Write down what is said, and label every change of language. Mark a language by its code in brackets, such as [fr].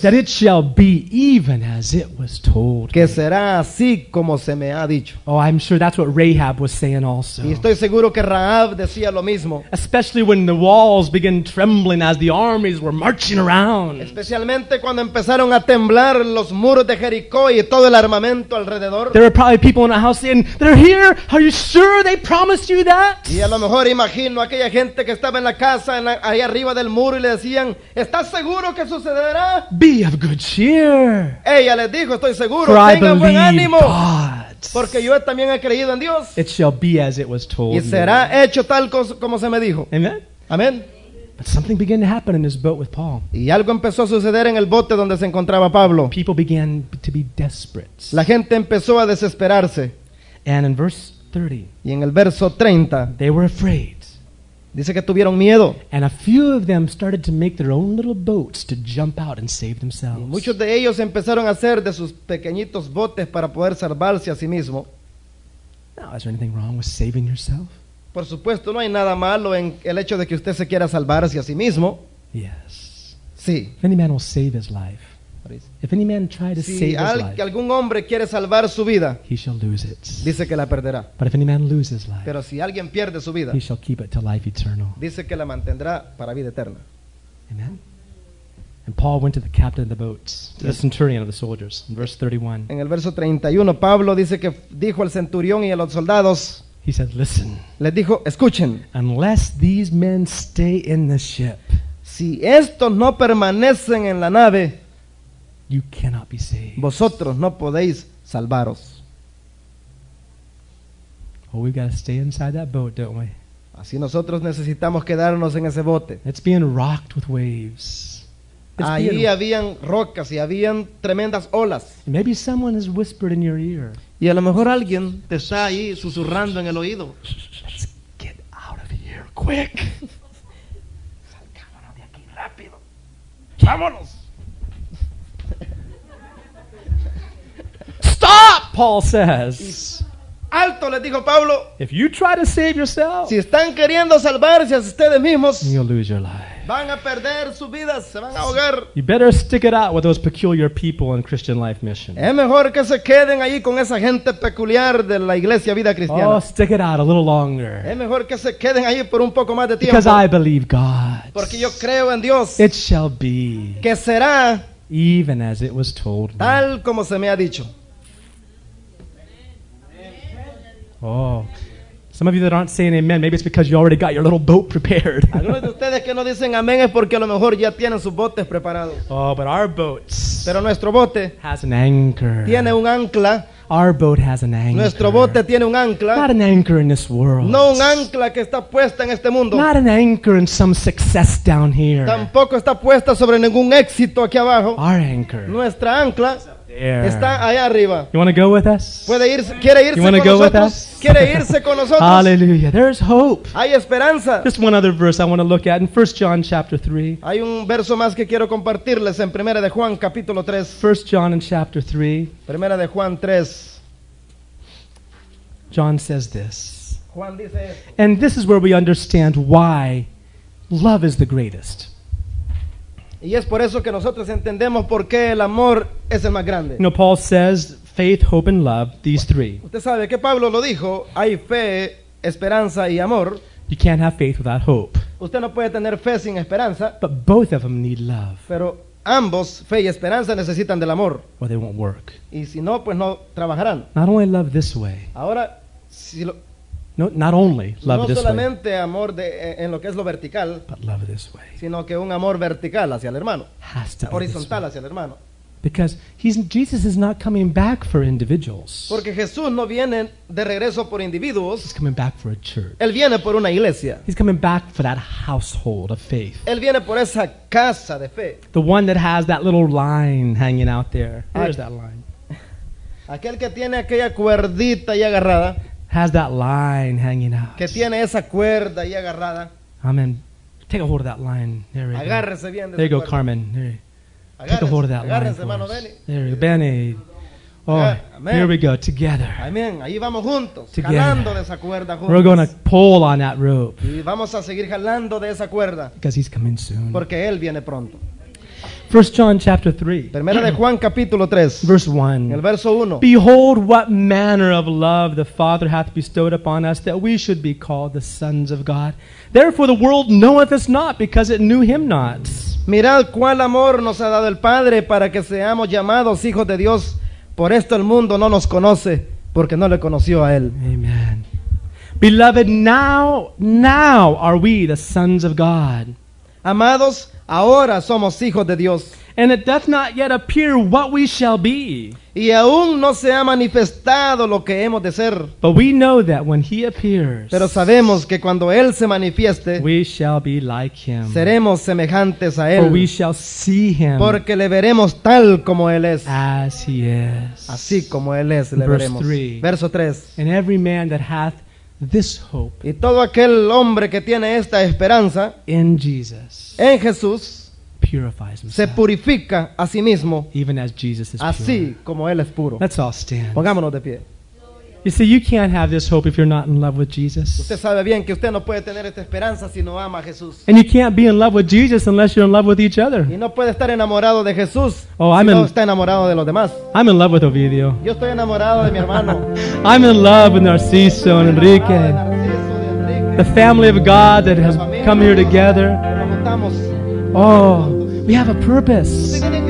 [en] That it shall be even as it was told. [es] Que será así como se me ha dicho. [en] Oh, I'm sure that's what Rahab was saying also. [es] Y estoy seguro que Rahab decía lo mismo. [en] Especially when the walls began trembling as the armies were marching around. [es] Especialmente cuando empezaron a temblar los muros de Jericó y todo el armamento alrededor. [en] There were probably people in the house saying, "They're here. Are you sure they promised you that?" [es] Y a lo mejor imagino aquella gente que estaba en la casa ahí arriba del muro y le decían, ¿estás seguro que sucederá? [en] Be of good cheer. [es] Ella les dijo, estoy seguro, [en] for [es] tenga [en] I believe [es] buen ánimo. [en] God. [es] Porque yo también he creído en Dios. [en] It shall be as it was told. [es] Y será hecho tal como se me dijo. [en] Amen. [es] Amen. [en] But something began to happen in this boat with Paul. [es] Y algo empezó a suceder en el bote donde se encontraba Pablo. [en] People began to be desperate. [es] La gente empezó a desesperarse. [en] And in verse 30. [es] Y en el verso 30. [en] They were afraid. [es] Dice que tuvieron miedo. [en] And a few of them started to make their own little boats to jump out and save themselves. [es] Y muchos de ellos empezaron a hacer de sus pequeñitos botes para poder salvarse a sí mismo. [en] Now, is there anything wrong with saving yourself? [es] Por supuesto, no hay nada malo en el hecho de que usted se quiera salvarse a sí mismo. [en] Yes. [es] Sí. [en] Any man will save his life. If any man try to [es] si [en] save [es] his algún hombre quiere salvar su vida, [en] he shall lose it. [es] Dice que la perderá. [en] But if any man lose his life, [es] pero si alguien pierde su vida, [en] he shall keep it to life eternal. [es] Dice que la mantendrá para vida eterna. [en] Amen. And Paul went to the captain of the boats, to the centurion of the soldiers, in verse 31. [es] En el verso 31, Pablo dice que dijo al centurión y a los soldados. [en] He said, "Listen." [es] Les dijo, escuchen. [en] Unless these men stay in the ship, [es] si estos no permanecen en la nave, [en] you cannot be saved. [es] Vosotros no podéis salvaros. [en] Well, we've got to stay inside that boat, don't we? [es] Así nosotros necesitamos quedarnos en ese bote. [en] It's being rocked with waves. [es] Ahí habían rocas y habían tremendas olas. [en] Maybe someone has whispered in your ear. [es] Y a lo mejor alguien te está ahí susurrando en el oído. [en] Let's get out of here quick. [es] Salgámonos de aquí rápido. Vámonos. [en] Stop, Paul says. [es] Alto, le dijo Pablo. [en] If you try to save yourself, [es] si están queriendo salvarse a ustedes mismos, [en] you'll lose your life. [es] Van a perder su vida, se van a ahogar. [en] You better stick it out with those peculiar people in Christian Life Mission. [es] Es mejor que se queden ahí con esa gente peculiar de la Iglesia Vida Cristiana. [en] Oh, stick it out a little longer. [es] Es mejor que se queden ahí por un poco más de tiempo. [en] Because I believe God. [es] Porque yo creo en Dios. [en] It shall be. [es] Que será. [en] Even as it was told me. [es] Tal como se me ha dicho. Oh. [en] Some of you that aren't saying amen, maybe it's because you already got your little boat prepared. [es] Algunos de ustedes que no dicen amén es porque a lo mejor ya tienen sus botes preparados. [en] Oh, but our boats. [es] Pero nuestro bote [en] has an anchor. [es] Tiene un ancla. [en] Our boat has an anchor. [es] Nuestro bote tiene un ancla. [en] Not an anchor in this world. [es] No un ancla que está puesta en este mundo. [en] Not an anchor in some success down here. [es] Tampoco está puesta sobre ningún éxito aquí abajo. [en] Our anchor. [es] Nuestra ancla. [en] Yeah. [es] Está allá arriba. [en] You want to go with us? [es] ¿Puede ir, quiere irse [en] you want to go [es] nosotros? [en] With us? [es] ¿Quiere irse con nosotros? [en] Hallelujah. There's hope. [es] Hay esperanza. [en] Just one other verse I want to look at in 1 John chapter 3. [es] Hay un verso más que quiero compartirles en Primera de Juan capítulo 3. [en] 1 John in chapter 3. [es] Primera de Juan 3. [en] John says this. [es] Juan dice esto. [en] And this is where we understand why love is the greatest. [es] Y es por eso que nosotros entendemos por qué el amor es el más grande. [en] You know, Paul says, faith, hope, and love, these three. [es] Usted sabe que Pablo lo dijo, hay fe, esperanza y amor. [en] You can't have faith without hope. [es] Usted no puede tener fe sin esperanza. [en] But both of them need love. [es] Pero ambos, fe y esperanza, necesitan del amor. [en] Or they won't work. [es] Y si no, pues no trabajarán. [en] Not only love this way. [es] Ahora, si lo... [en] No, not only love [es] no [en] this [es] solamente [en] way, [es] amor de, en lo que es lo vertical, [en] but love this way. [es] Sino que un amor vertical hacia el hermano, [en] has to [es] horizontal hacia el hermano. [en] Because he's, Jesus is not coming back for individuals. [es] Porque Jesús no viene de regreso por individuos. [en] He's coming back for a church. [es] Él viene por una iglesia. [en] He's coming back for that household of faith. [es] Él viene por esa casa de fe. [en] The one that has that little line hanging out there. Where's that line? [es] Aquel que tiene aquella cuerdita ahí agarrada. [en] Has that line hanging out. [es] Que tiene esa cuerda ahí agarrada. [en] Amen. Take a hold of that line. There we [es] agárrese [en] go. [es] Bien de [en] there you go, Carmen. There take a hold of that [es] agárrese [en] line. [es] Agárrese, Benny. [en] There you go. Benny. Oh, amen. Here we go. Together. [es] Amen. Ahí vamos juntos. [en] Together. [es] Jalando de esa cuerda juntos. [en] We're going to pull on that rope. [es] Y vamos a seguir jalando de esa cuerda. [en] Because he's coming soon. [es] Porque él viene pronto. [en] 1 John chapter 3. [es] Primera de Juan capítulo 3. [en] Verse 1. [es] El verso 1. [en] Behold what manner of love the Father hath bestowed upon us that we should be called the sons of God. Therefore the world knoweth us not because it knew him not. [es] Mirad cuál amor nos ha dado el Padre para que seamos llamados hijos de Dios. Por esto el mundo no nos conoce porque no le conoció a él. [en] Amen. Beloved, now are we the sons of God. [es] Amados, ahora somos hijos de Dios. [en] And it doth not yet appear what we shall be. [es] Y aún no se ha manifestado lo que hemos de ser. [en] But we know that when he appears, [es] pero sabemos que cuando él se manifieste, [en] we shall be like him. [es] Seremos semejantes a él. [en] For we shall see him. [es] Porque le veremos tal como él es. [en] As he is. [es] Así como él es, le [en] verse [es] veremos. [en] 3. [es] Verso 3. [en] And every man that hath this hope. [es] Y todo aquel hombre que tiene esta esperanza [en] in Jesus. [es] En Jesús [en] purifies himself. [es] Se purifica a sí mismo. [en] Even as Jesus is [es] así [en] pure. [es] Como él es puro. [en] Let's all stand. [es] Pongámonos de pie. [en] You see, you can't have this hope if you're not in love with Jesus. [es] Usted sabe bien que usted no puede tener esta esperanza si no ama a Jesús. [en] And you can't be in love with Jesus unless you're in love with each other. [es] Y no puede estar enamorado de Jesús. Oh, si [en] I'm [es] está enamorado de los demás. [en] I'm in love with Ovidio. [es] Yo estoy enamorado de mi hermano. [en] I'm in love with Narciso and Enrique. The family of God that has come here together. Oh, we have a purpose.